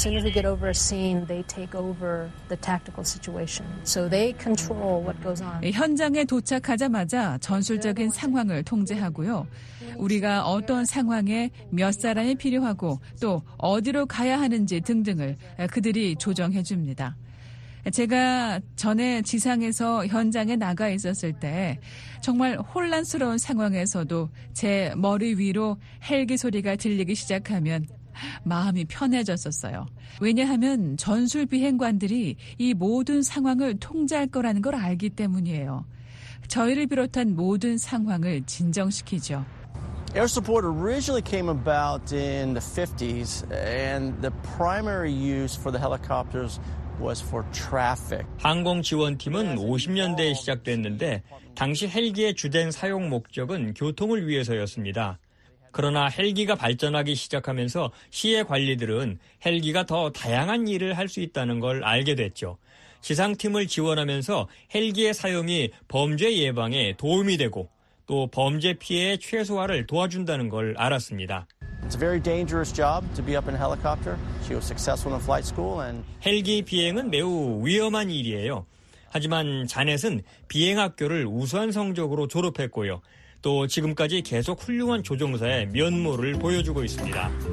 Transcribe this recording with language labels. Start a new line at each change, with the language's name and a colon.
English: soon as we get over a scene, they take over the tactical situation. So they control what goes on.
Korean: 현장에 도착하자마자 전술적인 상황을 통제하고요. 우리가 어떤 상황에 몇 사람이 필요하고 또 어디로 가야 하는지 등등을 그들이 조정해 줍니다. 제가 전에 지상에서 현장에 나가 있었을 때 정말 혼란스러운 상황에서도 제 머리 위로 헬기 소리가 들리기 시작하면 마음이 편해졌었어요. 왜냐하면 전술 비행관들이 이 모든 상황을 통제할 거라는 걸 알기 때문이에요. 저희를 비롯한 모든 상황을 진정시키죠.
English: Air support originally came about in the 50s and the primary use for the helicopters was for traffic.
Korean: 항공 지원팀은 50년대에 시작됐는데 당시 헬기의 주된 사용 목적은 교통을 위해서였습니다. 그러나 헬기가 발전하기 시작하면서 시의 관리들은 헬기가 더 다양한 일을 할 수 있다는 걸 알게 됐죠. 지상팀을 지원하면서 헬기의 사용이 범죄 예방에 도움이 되고 또 범죄 피해 최소화를 도와준다는 걸 알았습니다.
English: It's a very dangerous job to be up in helicopter. She was successful in flight school and
Korean: 헬기 비행은 매우 위험한 일이에요. 하지만 자넷은 비행학교를 우수한 성적으로 졸업했고요. 또 지금까지 계속 훌륭한 조종사의 면모를 보여주고 있습니다.